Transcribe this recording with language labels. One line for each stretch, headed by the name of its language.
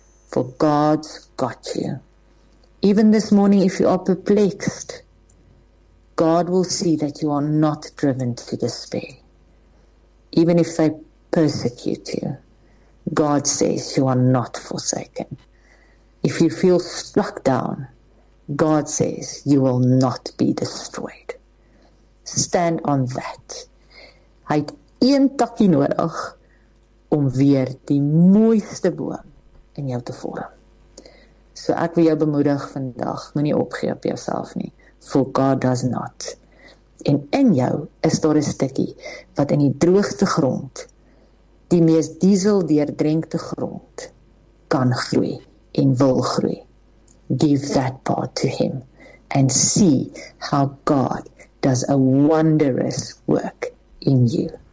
English: For God's got you. Even this morning, if you are perplexed, God will see that you are not driven to despair. Even if they persecute you, God says you are not forsaken. If you feel struck down, God says you will not be destroyed. Stand on that.
Afrikaans: Hy het 1 takkie nodig om weer die mooiste boom in jou te vorm. So ek wil jou bemoedig vandag, moenie opgee op jouself nie,
English: for God does not.
Afrikaans: En in jou is daar 'n stukkie wat in die droogste grond, die mees diesel deurdrenkte grond, kan groei en wil groei.
English: Give that part to him and see how God does a wondrous work in you.